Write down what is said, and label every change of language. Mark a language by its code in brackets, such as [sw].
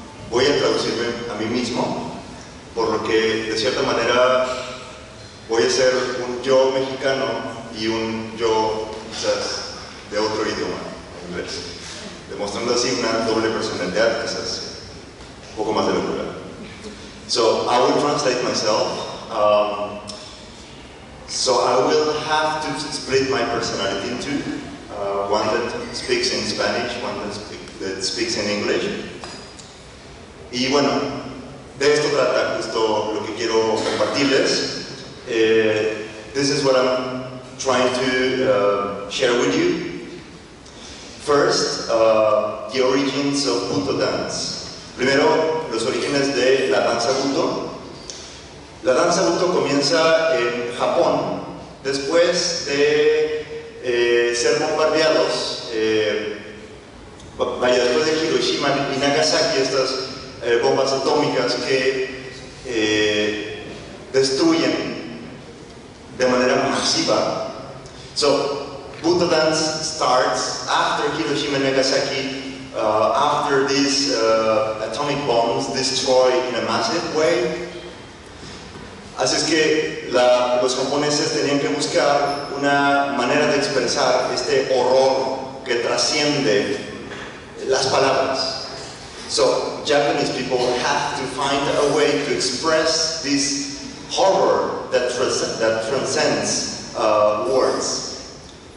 [es] Voy a traducirme a mí mismo, por lo que de cierta manera voy a ser un yo mexicano y un yo quizás de otro idioma, inglés, demostrando así una doble personalidad, quizás un poco más de locura. [en] So I will translate myself. So I will have to split my personality into one that speaks in Spanish, one that, that speaks in English. [es] Y bueno, de esto trata justo lo que quiero compartirles. [en] This is what I'm trying to share with you. First, the origins of buto dance. [es] Primero, los orígenes de la danza buto. La danza buto comienza en Japón después de ser bombardeados. Vaya, después de Hiroshima y Nagasaki, estas bombas atómicas que destruyen de manera masiva. [en] So, buto dance starts after Hiroshima and Nagasaki, after these atomic bombs destroy in a massive way. [es] Así es que los japoneses tenían que buscar una manera de expresar este horror que trasciende las palabras. [en] So, Japanese people have to find a way to express this horror that transcends words.